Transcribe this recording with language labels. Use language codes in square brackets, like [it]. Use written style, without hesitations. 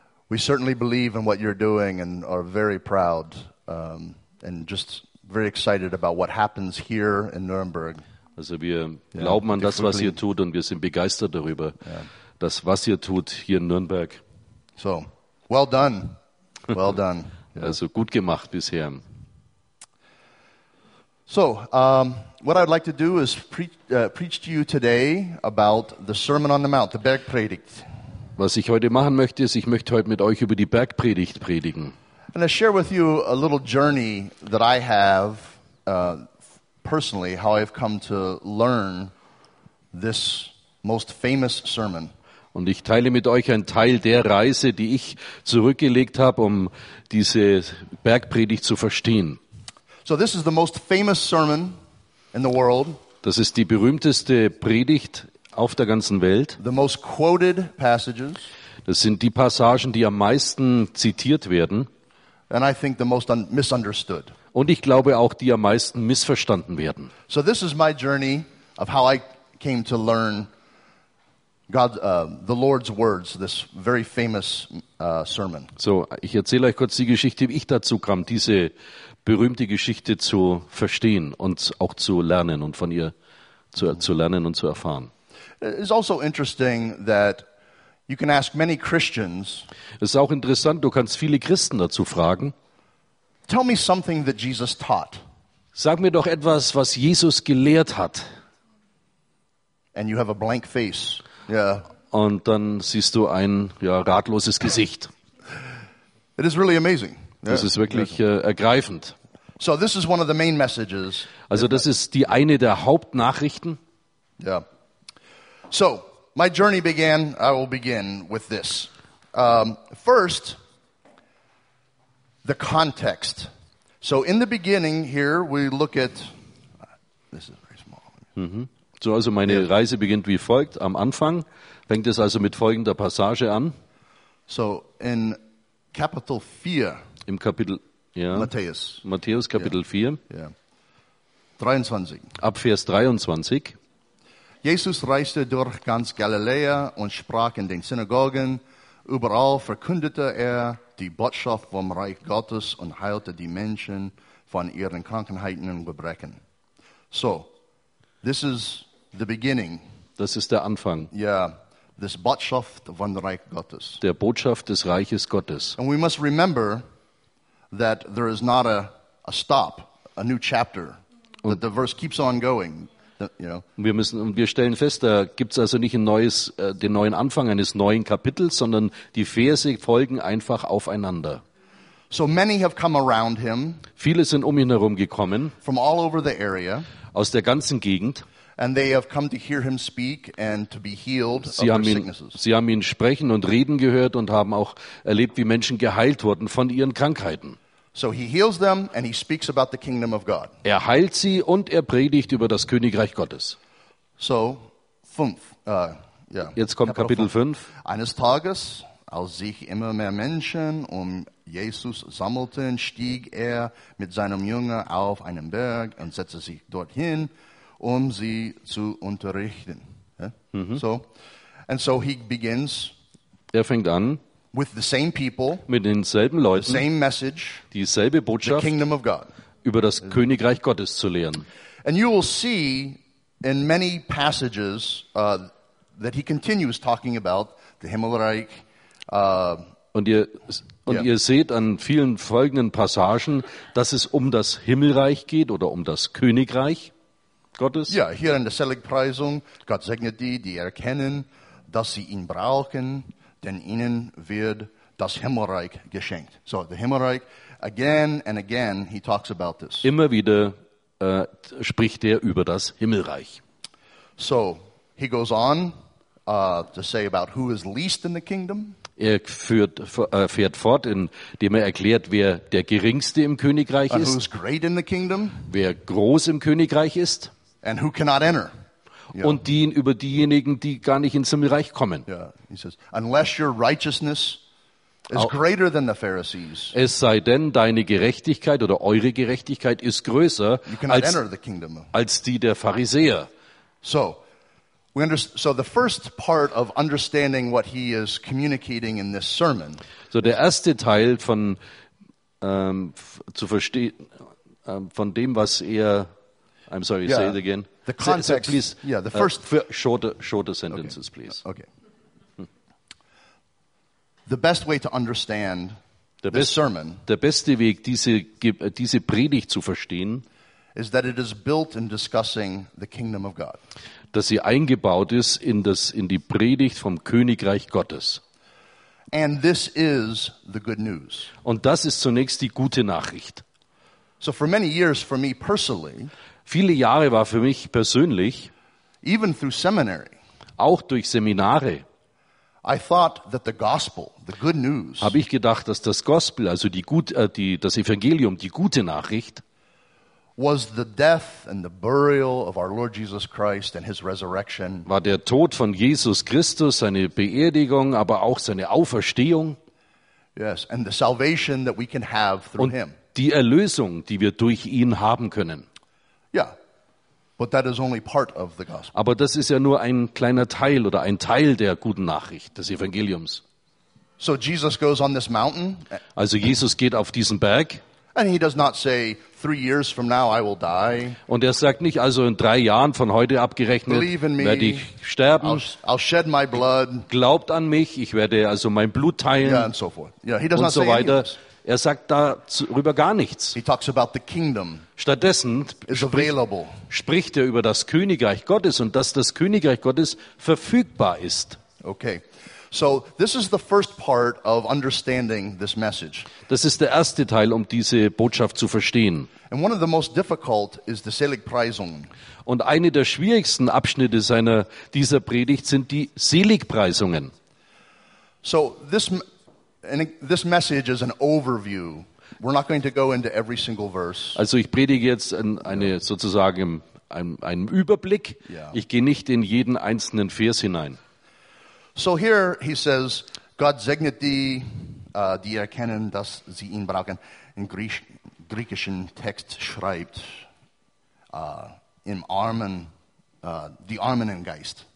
[en] We certainly believe in what you're doing and are very proud and just very excited about what happens here in Nuremberg. [de] Also wir glauben an das, was ihr tut, und wir sind begeistert darüber, das, was ihr tut hier in Nürnberg. [en] So, well done, well done. [de] Yeah. Also gut gemacht bisher. [en] So, what I'd like to do is preach to you today about the Sermon on the Mount, the Bergpredigt. [de] Was ich heute machen möchte, ist, ich möchte heute mit euch über die Bergpredigt predigen. [en] And I share with you a little journey that I have personally, how I've come to learn this most famous sermon. [de] Und ich teile mit euch einen Teil der Reise, die ich zurückgelegt habe, um diese Bergpredigt zu verstehen. [en] So this is the most famous sermon in the world. [de] Das ist die berühmteste Predigt auf der ganzen Welt. [en] The most quoted passages. [de] Das sind die Passagen, die am meisten zitiert werden. [en] And I think the most misunderstood. [de] Und ich glaube auch, die am meisten missverstanden werden. [en] So this is my journey of how I came to learn God, the Lord's words, this very famous sermon. [de] So, ich erzähle euch kurz die Geschichte, wie ich dazu kam, diese berühmte Geschichte zu verstehen und auch zu lernen und von ihr zu lernen und zu erfahren. [en] It's also interesting that you can ask many Christians. [de] Es ist auch interessant, du kannst viele Christen dazu fragen. [en] Tell me something that Jesus taught. [de] Sag mir doch etwas, was Jesus gelehrt hat. [en] And you have a blank face. [de] Yeah. Und dann siehst du ein ratloses Gesicht. [en] It is really amazing. [de] Yeah. Das ist wirklich ergreifend. [en] So this is one of the main messages. [de] Also das ist die eine der Hauptnachrichten. [en] Yeah. So my journey began. I will begin with this. First, the context. So in the beginning here we look at. This is very small. [de] So, also meine Reise beginnt wie folgt. Am Anfang fängt es also mit folgender Passage an. So, in Kapitel 4. Im Kapitel, Matthäus. Matthäus, Kapitel 4. Ja. 23. Ab Vers 23. Jesus reiste durch ganz Galiläa und sprach in den Synagogen. Überall verkündete er die Botschaft vom Reich Gottes und heilte die Menschen von ihren Krankheiten und Gebrechen. [en] So. This is the beginning. [de] Das ist der Anfang. [en] Yeah, this [de] Botschaft von Reich Gottes. Der Botschaft des Reiches Gottes. [en] And we must remember that there is not a stop, a new chapter, [de] und [en] that the verse keeps on going. [de] Wir stellen fest, da gibt's also nicht den neuen Anfang eines neuen Kapitels, sondern die Verse folgen einfach aufeinander. [en] So many have come around him. [de] Viele sind um ihn herum gekommen. [en] From all over the area. [de] Aus der ganzen Gegend. [en] And they have come to hear him speak and to be healed of their sicknesses. [de] Sie haben ihn sprechen und reden gehört und haben auch erlebt, wie Menschen geheilt wurden von ihren Krankheiten. [en] So he heals them and he speaks about the kingdom of God. [de] Er heilt sie und er predigt über das Königreich Gottes. So, fünf. Jetzt kommt Kapitel 5. Eines Tages, als sich immer mehr Menschen Jesus sammelten, stieg er mit seinem Jünger auf einen Berg und setzte sich dorthin, sie zu unterrichten. [en] So he begins. [de] Er fängt an. [en] With the same people. [de] Mit denselben Leuten. [en] The same message. [de] Dieselbe Botschaft. [en] The kingdom of God. [de] über das Königreich Gottes zu lehren. [en] And you will see in many passages that he continues talking about the Himmelreich. [de] Ihr seht an vielen folgenden Passagen, dass es um das Himmelreich geht oder um das Königreich Gottes. Ja, hier in der Seligpreisung, Gott segnet die, die erkennen, dass sie ihn brauchen, denn ihnen wird das Himmelreich geschenkt. [en] So, the Himmelreich, again and again, he talks about this. [de] Immer wieder spricht er über das Himmelreich. [en] So, he goes on to say about who is least in the kingdom. [de] Er fährt fort, indem er erklärt, wer der Geringste im Königreich ist. [en] And who's great in the kingdom. [de] Wer groß im Königreich ist. [en] And who cannot enter. Yeah. [de] Und über diejenigen, die gar nicht ins Himmelreich kommen. [en] Yeah. He says, unless your righteousness is greater than the Pharisees. [de] Es sei denn, deine Gerechtigkeit oder eure Gerechtigkeit ist größer als die der Pharisäer. [en] So, the first part of understanding what he is communicating in this sermon. [de] So der erste Teil von zu verstehen von dem, was er, [en] I'm sorry, yeah, say it again. The context, please. Yeah, the first shorter sentences, okay. Please. Okay. The best way to understand this sermon. [de] Der beste Weg, diese Predigt zu verstehen, [en] is that it is built in discussing the kingdom of God. [de] Dass sie eingebaut ist in die Predigt vom Königreich Gottes. [en] And this is the good news. [de] Und das ist zunächst die gute Nachricht. [en] So for many years for me personally. [de] Viele Jahre war für mich persönlich. [en] Even through seminary. [de] Auch durch Seminare. [en] I thought that the gospel, the good news. [de] Habe ich gedacht, dass das Gospel, also das Evangelium, die gute Nachricht, [en] was the death and the burial of our Lord Jesus Christ and his resurrection. [de] War der Tod von Jesus Christus, seine Beerdigung, aber auch seine Auferstehung. [en] Yes, and the salvation that we can have through [de] und [en] him. [de] Die Erlösung, die wir durch ihn haben können. [en] Yeah. But that is only part of the gospel. [de] Aber das ist ja nur ein kleiner Teil oder ein Teil der guten Nachricht des Evangeliums. [en] So Jesus goes on this mountain. [de] Also Jesus geht auf diesen Berg. [en] And he does not say, 3 years from now I will die. [de] Und er sagt nicht, also in 3 Jahren von heute abgerechnet, [en] believe in me, [de] werde ich sterben. [en] I'll shed my blood. [de] Glaubt an mich, ich werde also mein Blut teilen. [en] Yeah, and so forth. Yeah, he does [de] und [en] not so say [de] weiter. Er sagt darüber gar nichts. [en] He talks about the kingdom. [de] Stattdessen spricht er über das Königreich Gottes und dass das Königreich Gottes verfügbar ist. [en] Okay. So this is the first part of understanding this message. [de] Das ist der erste Teil, um diese Botschaft zu verstehen. [en] And one of the most difficult is the Seligpreisung. [de] Und eine der schwierigsten Abschnitte dieser Predigt sind die Seligpreisungen. [en] So this message is an overview. We're not going to go into every single verse. [de] Also ich predige jetzt sozusagen einen Überblick. Yeah. Ich gehe nicht in jeden einzelnen Vers hinein. [en] So here he says, [de] God segnet die, die erkennen, dass sie ihn brauchen. Im griechischen Text schreibt, im Armen, die Armen im Geist.